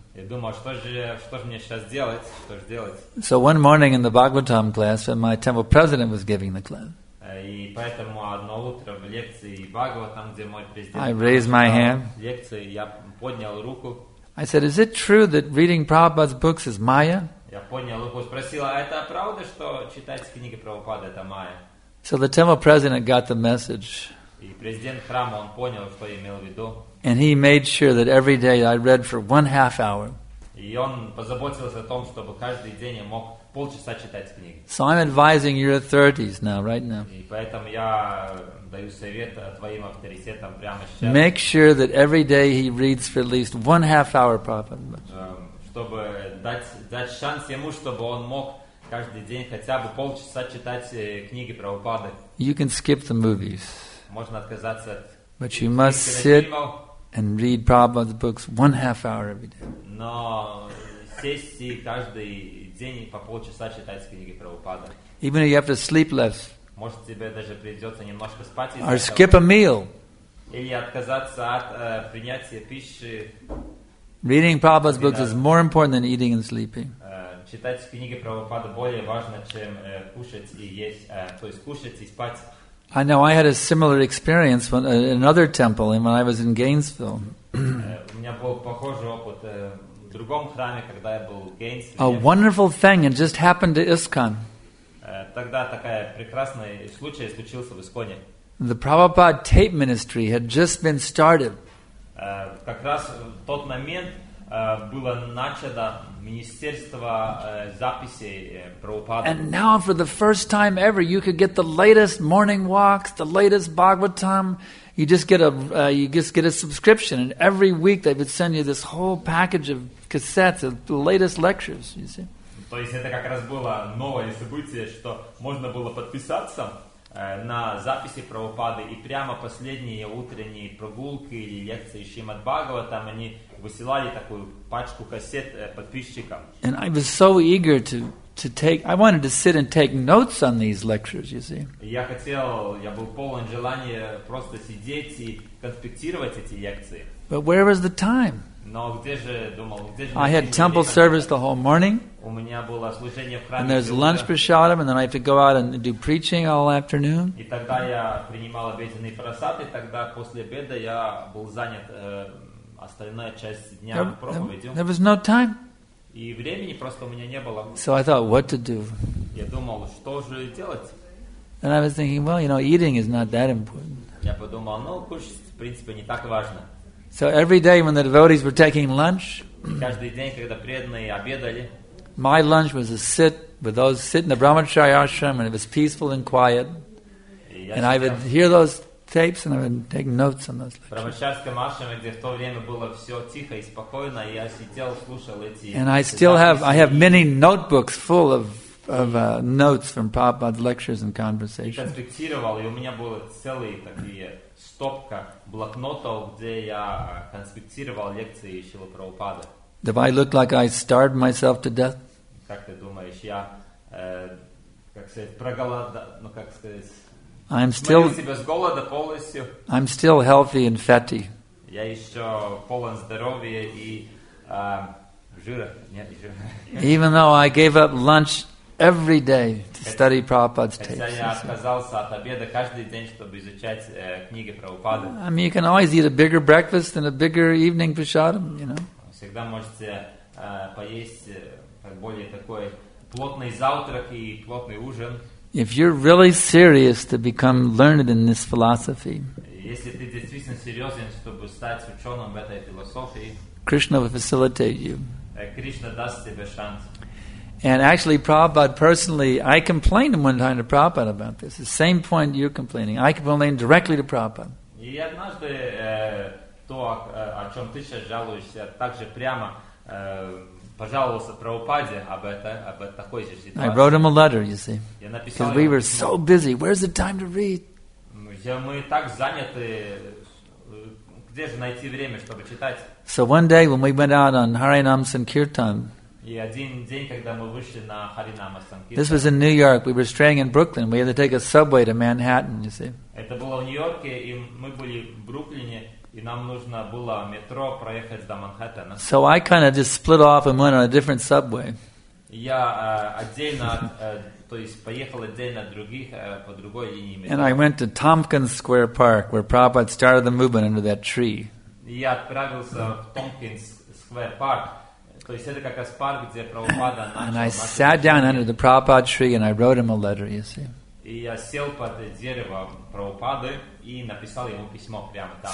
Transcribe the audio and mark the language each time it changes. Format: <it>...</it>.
<ru>Я думал, что же мне сейчас делать? Что же делать?</ru> <en>So one morning in the Bhagavatam class, when my temple president was giving the class.</en> <ru>И поэтому одно утро в лекции Бхагаватам, где мой президент,</ru> <en>I raised my hand.</en> <ru>Лекции, я поднял руку.</ru> <en>I said, "Is it true that reading Prabhupada's books is Maya?"</en> <ru>Я поднял руку, спросил, а это правда, что читать книги Прабхупады это Майя?</ru> <en>So the temple president got the message.</en> <ru>И президент храма он понял, что я имел в виду.</ru> <en>And he made sure that every day I read for 1.5 hours.</en> <ru>И он позаботился о том, чтобы каждый день я мог полчаса читать книги.</ru> <en>So I'm advising your authorities now, right now.</en> <ru>И поэтому я даю совет твоим авторитетам прямо сейчас.</ru> <en>Make sure that every day he reads for at least 1.5 hour, Prabhupada.</en> <ru>Чтобы дать шанс ему, чтобы он мог каждый день хотя бы полчаса читать книги Прабхупады.</ru> <en>You can skip the movies.</en> <ru>Можно отказаться от.</ru> <en>But you must sit and read Prabhupada's books 1.5 hour every day.</en> <ru>Но сесть и каждый день по полчаса читать книги Прабхупады.</ru> <en>Even if you have to sleep less.</en> <ru>Может тебе даже придется немножко спать из-за этого.</ru> <en>Or skip a meal.</en> <ru>Или отказаться от принятия пищи.</ru> <en>Reading Prabhupada's books is more important than eating and sleeping.</en> <ru>Читать книги Прабхупады более важно, чем кушать и есть, то есть кушать и спать.</ru> <en>I know I had a similar experience when, in another temple when I was in Gainesville.</en> <ru>У меня был похожий опыт в другом храме, когда я был в Гейнсвилле.</ru> <en>A wonderful thing, it just happened to ISKCON.</en> <ru>Тогда такая прекрасный случай случился в ИСККОНе.</ru> <en>The Prabhupada tape ministry had just been started.</en> <ru>Как раз в тот момент было начато министерство записи Прабхупады.</ru> <en>And now for the first time ever you could get the latest morning walks, the latest Bhagavatam. You just get a subscription, and every week they would send you this whole package of cassettes of the latest lectures, you see.</en> <ru>То есть это как раз было новое событие, что можно было подписаться на записи Прабхупады, и прямо последние утренние прогулки или лекции Шримад Бхагаватам они высылали такую пачку кассет подписчикам.</ru> <en>And I was so eager I wanted to sit and take notes on these lectures, you see.</en> <ru>Я хотел, я был полон желания просто сидеть и конспектировать эти лекции.</ru> <en>But where was the time?</en> <ru>Но где же, думал, где же?</ru> <en>I had temple service the whole morning.</en> <ru>У меня было служение в храме.</ru> <en>And there's lunch prasadam, and then I have to go out and do preaching all afternoon.</en> <ru>И тогда я принимал обеденный просад, и тогда после обеда я был занят остальная часть дня проповедью.</ru> <en>There was no time.</en> <ru>И времени просто у меня не было.</ru> <en>So I thought, what to do?</en> <ru>Я думал, что же делать?</ru> <en>And I was thinking, well, you know, eating is not that important.</en> <ru>Я подумал, ну, кушать, в принципе, не так важно.</ru> <en>So every day when the devotees were taking lunch,</en> <ru>каждый день, когда преданные обедали,</ru> <en>my lunch was to sit with those sitting in the Brahmachari ashram, and it was peaceful and quiet. And I would hear those tapes, and I would take notes on those lectures.</en> <ru>Brahmacharya ashram, где в то время было все тихо и спокойно, я сидел, слушал эти.</ru> <en>And I still have many notebooks full of of notes from Prabhupada's lectures and conversations.</en> <ru>Я конспектировал, и у меня были целые такие стопка блокнотов, где я конспектировал лекции Шрилы Прабхупады.</ru> <en>Do I look like I starved myself to death?</en> <ru>Как ты думаешь, я как сказать,</ru> <en>I'm still healthy and fatty.</en> <ru>Я ещё полон здоровья и жира. Нет, жира.</ru> <en>Even though I gave up lunch every day to study Prabhupada's texts.</en> <ru>Я отказался от обеда каждый день, чтобы изучать книги Прабхупады.</ru> <en>I mean, you can always eat a bigger breakfast and a bigger evening prasadam, you know.</en> <ru>Всегда можете поесть более такой плотный завтрак и плотный ужин.</ru> <en>If you're really serious to become learned in this philosophy,</en> <ru>если ты действительно серьезен, чтобы стать ученым в этой философии,</ru> <en>Krishna will facilitate you.</en> <ru>Krishna даст тебе шанс.</ru> <en>And actually, Prabhupada personally, I complained one time to Prabhupada about this. The same point you're complaining. I complained directly to Prabhupada.</en> <ru>И однажды то, о чем ты сейчас жалуешься, также прямо пожаловался Прабхупаде об такой же ситуации.</ru> <en>I wrote him a letter, you see. Because we were so busy. Where's the time to read?</en> <ru>Мы так заняты. Где же найти время, чтобы читать?</ru> <en>So one day when we went out on Harinam Sankirtan,</en> <ru>и один день, когда мы вышли на Харинама Санкиртан,</ru> <en>this was in New York. We were staying in Brooklyn. We had to take a subway to Manhattan, you see.</en> <ru>Это было в Нью-Йорке, и мы были в Бруклине, и нам нужно было метро проехать до Манхэттена.</ru> <en>So I kind of just split off and went on a different subway.</en> <ru>Я отдельно, то есть поехал отдельно других по другой линии метро.</ru> <en>And I went to Tompkins Square Park, where Prabhupada started the movement under that tree.</en> <ru>Я отправился в Tompkins Square Park. То есть это как раз парк, где Прабхупада начал.</ru> <en>And I sat down under the Prabhupada tree and I wrote him a letter, you see.</en> <ru>И я сел под дерево Прабхупады и написал ему письмо прямо там.</ru>